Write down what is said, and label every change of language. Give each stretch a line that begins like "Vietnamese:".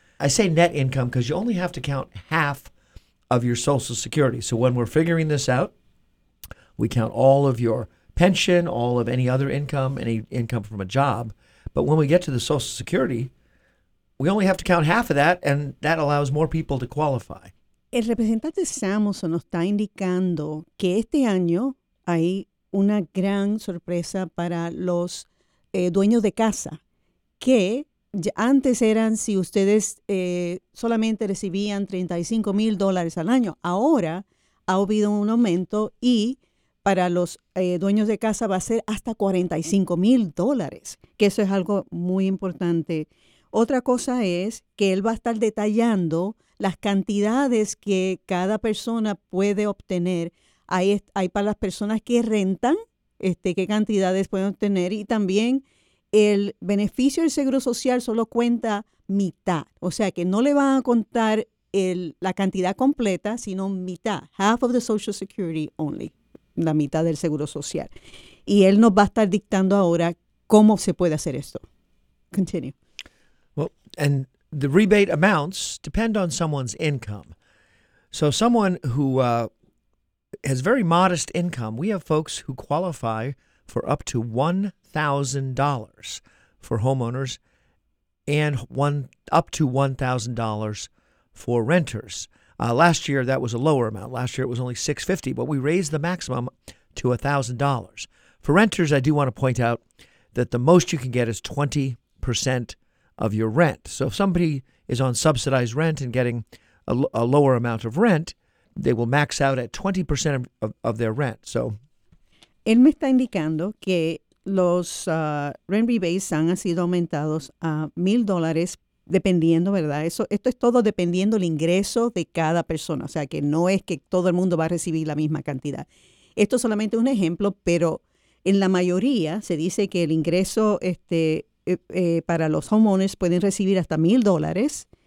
English: I say net income because you only have to count half of your Social Security. So when we're figuring this out, we count all of your pension, all of any other income, any income from a job. But when we get to the Social Security, we only have to count half of that, and that allows more people to qualify.
Spanish: El representante Samuelson nos está indicando que este año hay una gran sorpresa para los dueños de casa, que antes eran si ustedes solamente recibían $35,000 al año. Ahora ha habido un aumento y para los dueños de casa va a ser hasta $45,000, que eso es algo muy importante. Otra cosa es que él va a estar detallando las cantidades que cada persona puede obtener. Hay para las personas que rentan, qué cantidades pueden obtener. Y también el beneficio del Seguro Social solo cuenta mitad. O sea, que no le van a contar la cantidad completa, sino mitad.
English: Half of the Social Security only.
Spanish: La mitad del Seguro Social. Y él nos va a estar dictando ahora cómo se puede hacer esto.
English: Continue. Well, and the rebate amounts depend on someone's income. So someone who has very modest income, we have folks who qualify for up to $1,000 for homeowners and up to $1,000 for renters. Last year, that was a lower amount. Last year, it was only $650, but we raised the maximum to $1,000. For renters, I do want to point out that the most you can get is 20% of your rent. So if somebody is on subsidized rent and getting a lower amount of rent, they will max out at 20% of their rent. So,
Spanish: él me está indicando que los rent rebates han sido aumentados a $1,000 dependiendo, ¿verdad? Esto es todo dependiendo el ingreso de cada persona. O sea, que no es que todo el mundo va a recibir la misma cantidad. Esto solamente es un ejemplo, pero en la mayoría se dice que el ingreso para los homeowners pueden recibir hasta $1,000.